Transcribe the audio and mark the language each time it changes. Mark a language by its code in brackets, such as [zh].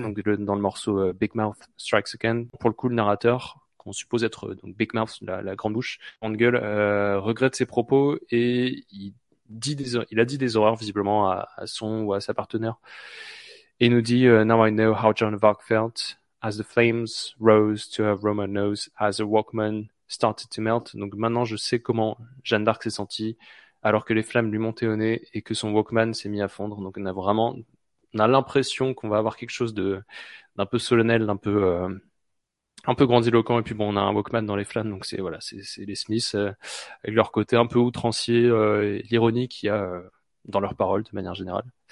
[fr] Donc dans le morceau Big Mouth Strikes Again, pour le coup le narrateur, qu'on suppose être donc Big Mouth, la grande bouche, grande gueule, regrette ses propos et il a dit des horreurs visiblement à son ou à sa partenaire. Et nous dit [en] Now I know how Joan of Arc felt as the flames rose to her Roman nose as a walkman started to melt. [fr] Donc maintenant je sais comment Jeanne d'Arc s'est sentie alors que les flammes lui montaient au nez et que son Walkman s'est mis à fondre. Donc on a l'impression qu'on va avoir quelque chose d'un peu solennel, d'un peu grandiloquent. Et puis bon, on a un Walkman dans les flammes, donc c'est voilà, c'est les Smiths avec leur côté un peu outrancier, l'ironie qu'il y a dans leurs paroles de manière générale.